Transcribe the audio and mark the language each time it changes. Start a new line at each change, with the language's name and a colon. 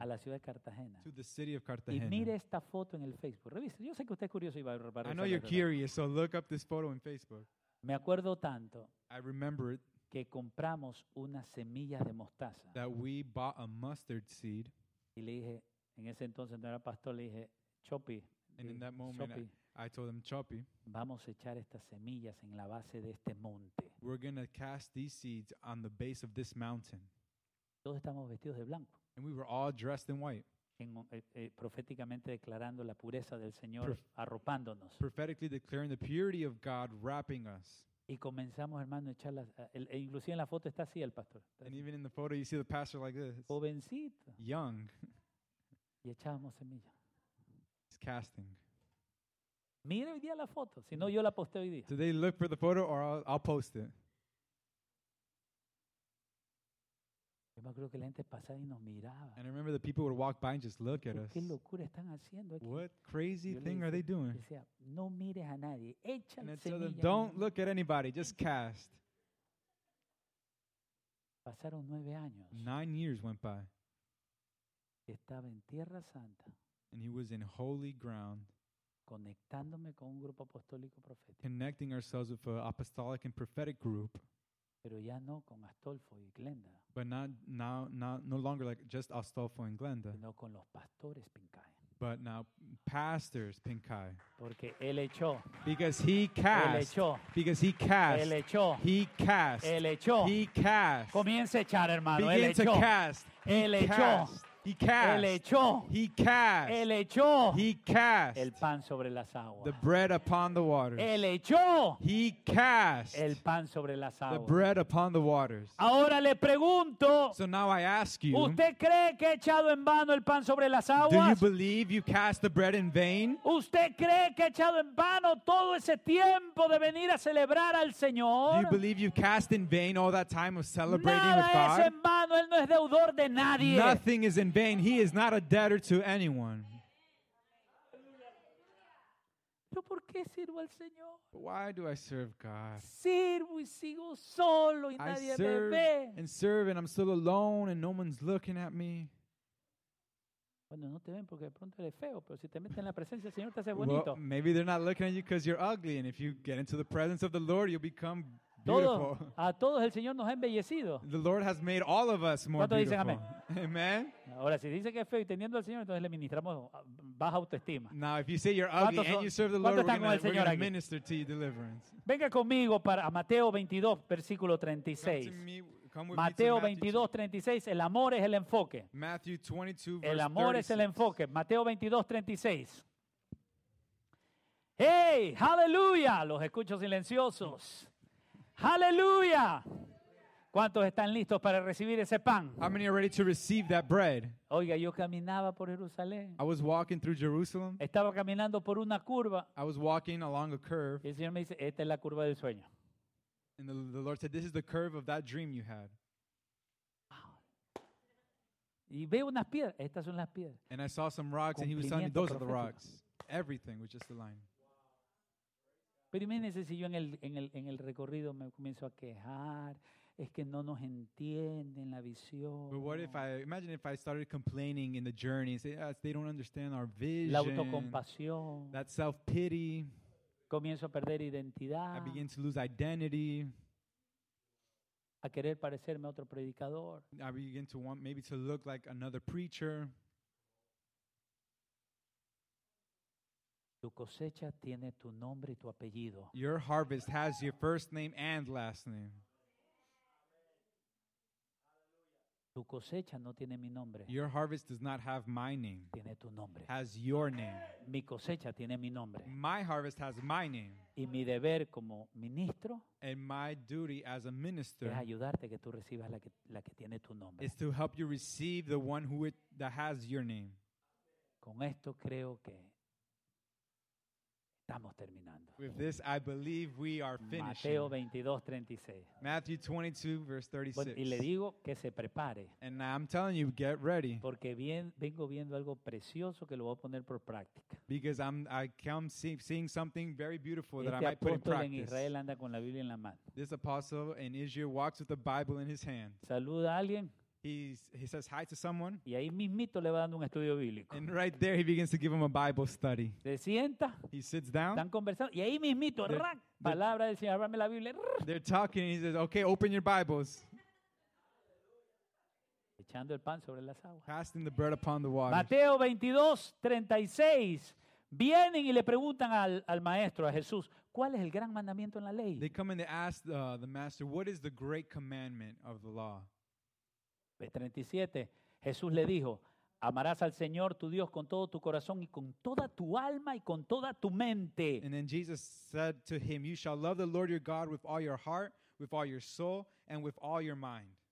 Spanish: A la ciudad de Cartagena.
English: To the city of Cartagena.
Spanish: Y mire esta foto en el Facebook. Revise. Yo sé que usted es curioso y va a reparar.
English: I know you're curious, so look up this photo in Facebook.
Spanish: Me acuerdo tanto.
English: I remember it.
Spanish: Que compramos unas semillas de mostaza.
English: That we bought a mustard seed.
Spanish: Y le dije, en ese entonces no era pastor, le dije, Chopi.
English: And in that moment, Chopi, I told him, Chopi.
Spanish: Vamos a echar estas semillas en la base de este monte.
English: We're going to cast these seeds on the base of this mountain.
Spanish: Todos estamos vestidos de blanco.
English: And we were all dressed in white.
Spanish: Proféticamente declarando la pureza del Señor arropándonos.
English: Prophetically declaring the purity of God wrapping us.
Spanish: Y comenzamos, hermano, a echar las... Inclusive en la foto está así el pastor.
English: And even in the photo you see the pastor like this.
Spanish: Jovencito.
English: Young.
Spanish: Y echábamos semilla.
English: He's casting.
Spanish: Mire hoy día la foto. Si no, yo la posté hoy día.
English: Do they look for the photo or I'll post it?
Spanish: Yo me acuerdo que la gente pasaba y nos miraba.
English: And I remember the people would walk by and just look at us.
Spanish: ¿Qué locura están haciendo aquí?
English: What crazy thing are they doing?
Spanish: Decía, no mires a nadie, echa
English: and
Spanish: semilla.
English: Them, don't look at anybody, just cast.
Spanish: Pasaron 9 años.
English: 9 years went by.
Spanish: Estaba en Tierra Santa.
English: And he was in holy ground.
Spanish: Conectándome con un grupo apostólico profético.
English: Connecting ourselves with an apostolic and prophetic group.
Spanish: Pero ya no con Astolfo y Glenda.
English: But no longer like just Astolfo and Glenda.
Spanish: Sino con los pastores Pinkai.
English: But now pastors Pinkai.
Spanish: Porque él echó.
English: Because he cast.
Spanish: Él echó.
English: Because he cast.
Spanish: Él echó.
English: He cast.
Spanish: Él echó.
English: He cast.
Spanish: Comience a echar, hermano.
English: Begin
Spanish: él echó.
English: To cast. He
Spanish: él echó.
English: Cast. He cast.
Spanish: Él echó.
English: He cast.
Spanish: Él echó.
English: He cast.
Spanish: El pan sobre las aguas.
English: The bread upon the waters.
Spanish: Él echó.
English: He cast.
Spanish: El pan sobre las aguas.
English: The bread upon the waters.
Spanish: Ahora le pregunto.
English: So now I ask you.
Spanish: ¿Usted cree que he echado en vano el pan sobre las aguas?
English: Do you believe you cast the bread in vain?
Spanish: ¿Usted cree que he echado en vano todo ese tiempo de venir a celebrar al Señor?
English: Do you believe you cast in vain all that time of celebrating
Spanish: Nada
English: with God?
Spanish: Es en vano. Él no es deudor de nadie.
English: Nothing is in vain. He is not a debtor to anyone.
Spanish: ¿Pero por qué sirvo al Señor?
English: Why do I serve God?
Spanish: Sirvo y sigo solo y nadie me ve.
English: And serve and I'm still alone and no one's looking at me.
Spanish: Bueno, no te ven porque de pronto eres feo, pero si te metes en la presencia del Señor te hace bonito.
English: Well, maybe they're not looking at you because you're ugly and if you get into the presence of the Lord you'll become beautiful.
Spanish: A todos el Señor nos ha embellecido.
English: The Lord has made all of us more beautiful.
Spanish: Dicen amén?
English: Amen.
Spanish: Ahora si dice que es feo y teniendo al Señor entonces le ministramos baja autoestima.
English: Now if you say you're ugly and you serve the Lord we're going to minister to you deliverance.
Spanish: Venga conmigo para Mateo 22 versículo 36. Mateo 22, 36, el amor es el enfoque.
English: Matthew 22,
Spanish: el amor es el enfoque. Mateo 22, 36. Hey, aleluya. Los escucho silenciosos. Aleluya. ¿Cuántos están listos para recibir ese pan?
English: How many are ready to receive that bread?
Spanish: Oiga, yo caminaba por Jerusalén.
English: I was walking through Jerusalem.
Spanish: Estaba caminando por una curva.
English: I was walking along a curve.
Spanish: Y el Señor me dice, esta es la curva del sueño.
English: And the Lord said, this is the curve of that dream you had.
Spanish: Y veo unas piedras. Estas son las piedras.
English: And I saw some rocks, and he was telling me, those are the rocks. Everything was just aligned.
Spanish: Pero imagínense si yo en el recorrido me comienzo a quejar. Es que no nos entienden la visión.
English: But what if I, imagine if I started complaining in the journey and say, yes, they don't understand our vision.
Spanish: La autocompasión.
English: That self-pity.
Spanish: Comienzo a perder identidad.
English: I begin to lose identity.
Spanish: A querer parecerme a otro predicador.
English: I begin to want maybe to look like another preacher.
Spanish: Tu cosecha tiene tu nombre y tu apellido.
English: Your harvest has your first name and last name.
Spanish: Tu cosecha no tiene mi nombre.
English: Your harvest does not have my name.
Spanish: Tiene tu nombre.
English: Has your name.
Spanish: Mi cosecha tiene mi nombre.
English: My harvest has my name.
Spanish: Y mi deber como ministro.
English: And my duty as a minister.
Spanish: Es ayudarte que tú recibas la que tiene tu nombre.
English: Is to help you receive the one that has your name.
Spanish: Con esto creo que estamos terminando.
English: With this, I believe we are finishing.
Spanish: Mateo 22:36.
English: Matthew 22:36.
Spanish: Y le digo que se prepare.
English: And I'm telling you, get ready.
Spanish: Porque vengo viendo algo precioso que lo voy a poner por práctica.
English: Because I come seeing something very beautiful that I might put in practice.
Spanish: Este apóstol en Israel anda con la Biblia en la mano.
English: This apostle in Israel walks with the Bible in his hand.
Spanish: Saluda a alguien.
English: He says hi to someone.
Spanish: Y ahí mismito le va dando un estudio bíblico.
English: And right there he begins to give him a Bible study.
Spanish: Se sienta.
English: He sits down.
Spanish: Están conversando y ahí mismito, palabra del Señor, ábrame la Biblia.
English: They're talking and he says, okay, open your Bibles.
Spanish: Echando el pan sobre las aguas.
English: Casting the bread upon the water.
Spanish: Mateo 22:36. Vienen y le preguntan al maestro, a Jesús, ¿cuál es el gran mandamiento en la ley?
English: They come and they ask the master, what is the great commandment of the law?
Spanish: 37, Jesús le dijo, amarás al Señor tu Dios con todo tu corazón y con toda tu alma y con toda tu mente.
English: And then Jesus said to him, you shall love the Lord your God with all your heart, with all your soul, and with all your mind.